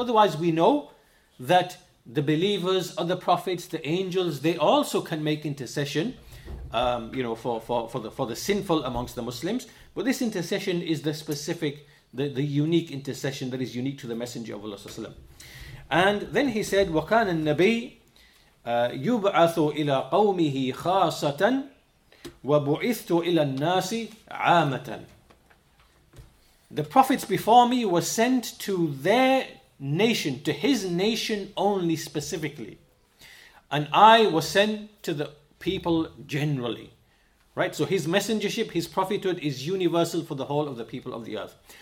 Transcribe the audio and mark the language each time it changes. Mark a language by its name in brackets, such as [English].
[English] Otherwise, we know that the believers, other prophets, the angels, they also can make intercession for the sinful amongst the Muslims. But this intercession is the specific, the unique intercession that is unique to the Messenger of Allah sallallahu alaihi wasallam. And then he said, [Arabic] وَكَانَ النَّبِيُّ يُبْعَثُ إِلَىٰ قَوْمِهِ خَاصَةً وَبُعِثْتُ إِلَىٰ النَّاسِ عَامَةً. [English] The prophets before me were sent to their nation, to his nation only specifically, and I was sent to the people generally. Right, so his messengership, his prophethood is universal for the whole of the people of the earth.